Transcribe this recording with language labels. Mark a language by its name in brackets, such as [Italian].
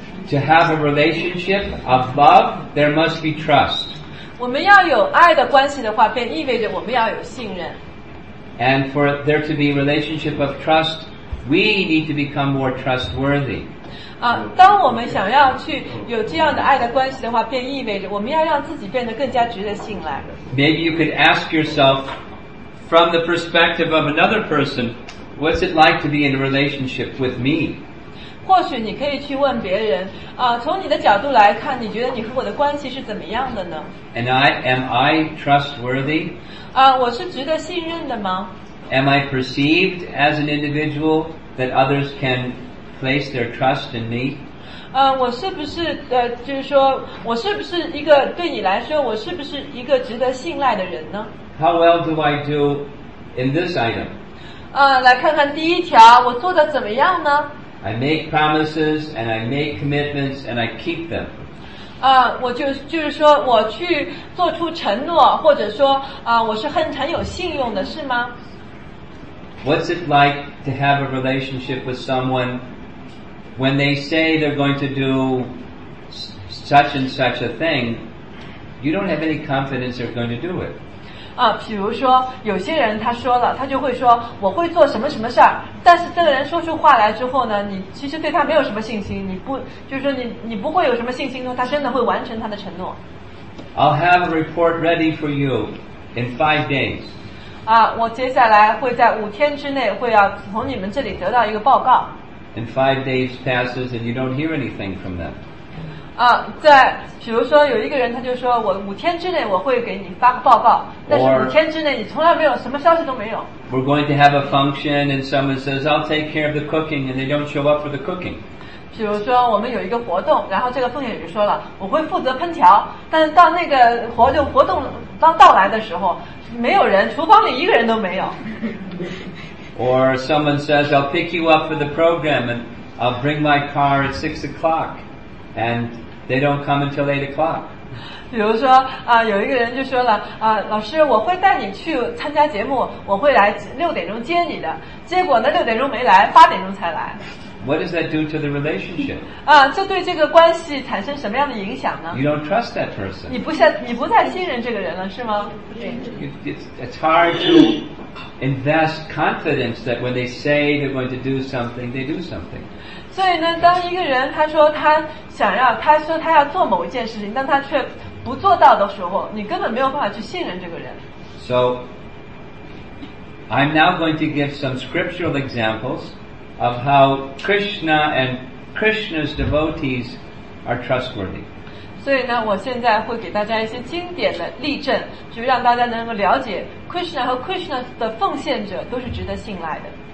[English] To have a relationship of love, there must be trust. [Chinese] 我们要有爱的关系的话，便意味着我们要有信任。 [English] And for there to be a relationship of trust, we need to become more trustworthy. [Chinese] 当我们想要去有这样的爱的关系的话，便意味着我们要让自己变得更加值得信赖。 [English] Maybe you could ask yourself, from the perspective of another person, what's it like to be in a relationship with me? [Chinese] 或许你可以去问别人从你的角度来看你觉得你和我的关系是怎么样的呢 [English] And I, am I trustworthy? [Chinese] 我是值得信任的吗 [English] Am I perceived as an individual that others can place their trust in me? [Chinese] 我是不是就是说我是不是一个对你来说我是不是一个值得信赖的人呢 [English] How well do I do in this item? [Chinese] 来看看第一条我做得怎么样呢 [English] I make promises and I make commitments and I keep them. [Chinese] 我就是说我去做出承诺或者说我是很有信用的是吗 [English] What's it like to have a relationship with someone when they say they're going to do such and such a thing, you don't have any confidence they're going to do it. [Chinese] 比如说有些人他说了他就会说我会做什么什么事儿但是这个人说出话来之后呢你其实对他没有什么信心你不就是说你不会有什么信心他真的会完成他的承诺 [English] I'll have a report ready for you in 5 days [Chinese] 我接下来会在5天之内会要从你们这里得到一个报告 [English] and 5 days passes and you don't hear anything from them [Chinese] 在比如说有一个人他就说我5天之内我会给你发个报告但是5天之内你从来没有什么消息都没有 [English] We're going to have a function and someone says, I'll take care of the cooking and they don't show up for the cooking. [Chinese] 比如说我们有一个活动然后这个奉献人说了我会负责烹调但是到那个活动刚到来的时候没有人厨房里一个人都没有。 [English] Or someone says, I'll pick you up for the program and I'll bring my car at 6 o'clock and they don't come until 8 o'clock. [Chinese] 比如说有一个人就说了老师我会带你去参加节目我会来6点钟接你的结果呢6点钟没来8点钟才来 [English] What does that do to the relationship? [Chinese] 这对这个关系产生什么样的影响呢 [English] You don't trust that person [Chinese] 你不再信任这个人了是吗 [English] It's hard to invest confidence that when they say they're going to do something they do something [Chinese] 所以呢当一个人他说他想要他说他要做某一件事情但他却不做到的时候你根本没有办法去信任这个人 [English] So I'm now going to give some scriptural examples of how Krishna and Krishna's devotees are trustworthy [Chinese] 所以呢我现在会给大家一些经典的例证就让大家能够了解 Krishna 和 Krishna 的奉献者都是值得信赖的